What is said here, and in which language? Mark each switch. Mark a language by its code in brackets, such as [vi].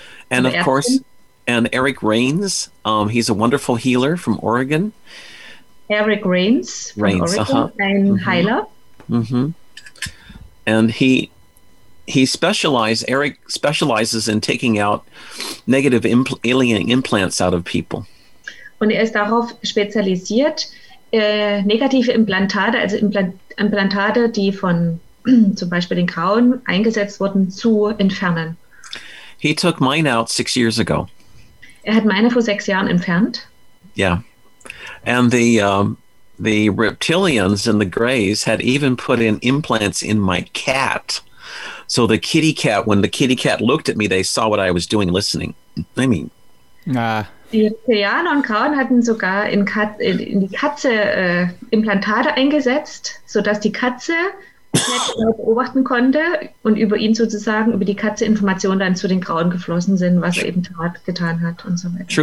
[en] And of course, and Eric Rains, he's a wonderful healer from Oregon. Eric Rains from Rains, Oregon, uh-huh. [de] Ein Heiler. Mm-hmm. [en] And Eric specializes in taking out negative alien implants out of people. [de] Und er ist darauf spezialisiert, negative Implantate, also Implantate, die von zum Beispiel den Grauen eingesetzt wurden, zu entfernen. [en] He took mine out 6 years ago. [de] Er hat meine vor 6 Jahren entfernt. [en] Yeah. And the reptilians and the greys had even put in implants in my cat. So the kitty cat, when the kitty cat looked at me, they saw what I was doing listening. I mean. Nah. [de] Die Reptilianer und Grauen hatten sogar in die Katze Implantate eingesetzt, sodass die Katze beobachten konnte und über ihn sozusagen, über die Katze Informationen dann zu den Grauen geflossen sind, was er eben getan hat und so weiter.